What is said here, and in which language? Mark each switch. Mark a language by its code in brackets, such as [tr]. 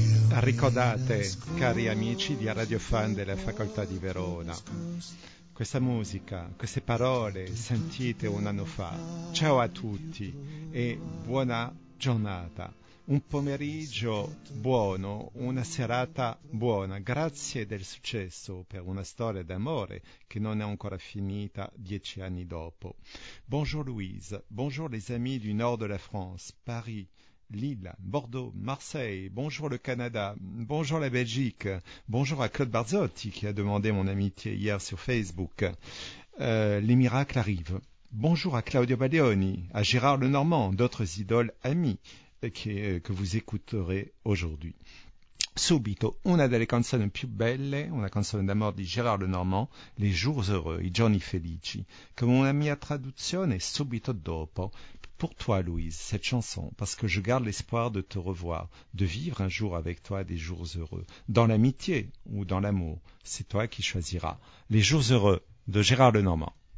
[it] Ricordate, cari amici di Radio Fan della Facoltà di Verona, questa musica, queste parole sentite un anno fa. Ciao a tutti e buona giornata. Un pomeriggio buono, una serata buona. Grazie del successo per una storia d'amore che non è ancora finita 10 anni dopo. [fr] Bonjour Louise, bonjour les amis du nord de la France, Paris, Lille, Bordeaux, Marseille, bonjour le Canada, bonjour la Belgique, bonjour à Claude Barzotti qui a demandé mon amitié hier sur Facebook. Les miracles arrivent. Bonjour à Claudio Baleoni, à Gérard Lenormand, d'autres idoles amis que vous écouterez aujourd'hui. [it] Subito, una delle canzoni più belle, una canzone d'amore di Gérard Lenormand, Les jours heureux, i giorni felici, come una mia traduzione subito dopo. [fr] Pour toi, Louise, cette chanson, parce que je garde l'espoir de te revoir, de vivre un jour avec toi des jours heureux, dans l'amitié ou dans l'amour, c'est toi qui choisiras. Les jours heureux de Gérard Lenormand.